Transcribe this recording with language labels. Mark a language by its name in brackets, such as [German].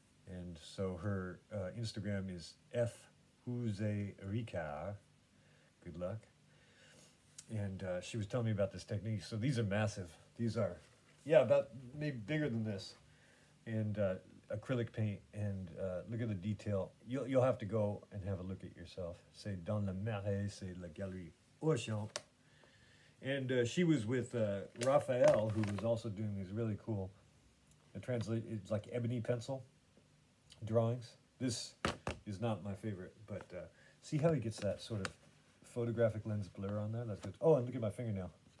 [English] And so her Instagram is F. Houzé-Ricard. Good luck. And she was telling me about this technique. So these are massive. These are, about maybe bigger than this. And acrylic paint, and look at the detail. You'll have to go and have a look at yourself. [French] C'est dans le marais, c'est la galerie Auchamp. [English] And she was with Raphael, who was also doing these really cool, it's like ebony pencil drawings. This is not my favorite, but see how he gets that sort of photographic lens blur on there? That's good. Oh, and look at my fingernail.